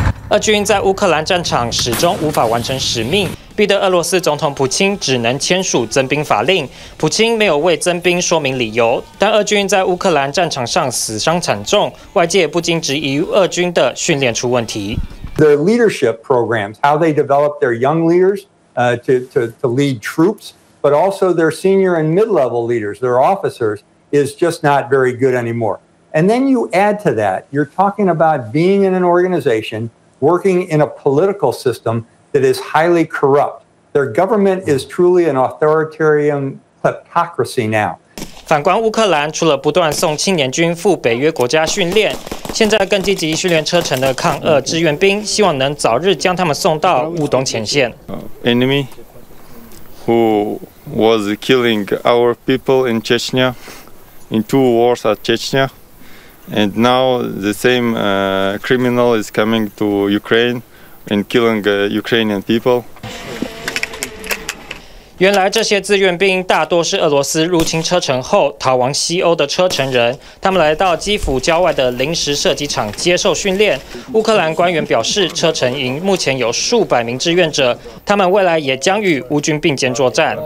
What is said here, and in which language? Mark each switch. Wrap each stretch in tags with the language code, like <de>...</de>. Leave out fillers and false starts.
<zh>俄军在乌克兰战场始终无法完成使命，逼得俄罗斯总统普京只能签署增兵法令。普京没有为增兵说明理由，但俄军在乌克兰战场上死伤惨重，外界不禁质疑俄军的训练出问题。</zh> <en>The leadership programs, how they develop their young leaders. To lead troops, but also their senior and mid-level leaders, their officers, is just not very good anymore. And then you add to that, you're talking about being in an organization, working in a political system that is highly corrupt. Their government is truly an authoritarian kleptocracy now.</en> <zh>反观乌克兰，除了不断送青年军赴北约国家训练，现在更积极训练车臣的抗俄志愿兵，希望能早日将他们送到乌东前线。</zh> <en>Enemy who was killing our people in Chechnya, in two wars at Chechnya, and now the same criminal is coming to Ukraine and killing Ukrainian people.</en> <zh>原来这些志愿兵大多是俄罗斯入侵车臣后逃亡西欧的车臣人，他们来到基辅郊外的临时射击场接受训练。乌克兰官员表示，车臣营目前有数百名志愿者，他们未来也将与乌军并肩作战。</zh>